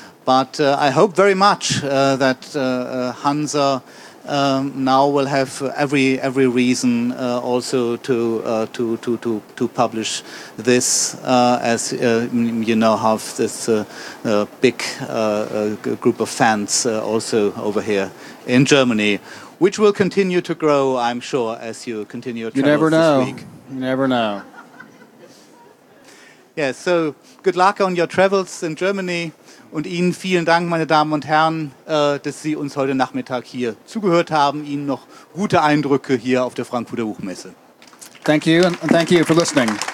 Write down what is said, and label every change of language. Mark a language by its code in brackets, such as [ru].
[en] But I hope very much that Hansa now we'll have every reason also to publish this, as you now have this big group of fans also over here in Germany, which will continue to grow, I'm sure, as you continue your travels this week. You never know. You never know. Yeah, so good luck on your travels in Germany. [de] Und Ihnen vielen Dank, meine Damen und Herren, dass Sie uns heute Nachmittag hier zugehört haben. Ihnen noch gute Eindrücke hier auf der Frankfurter Buchmesse. [en] Thank you and thank you for listening.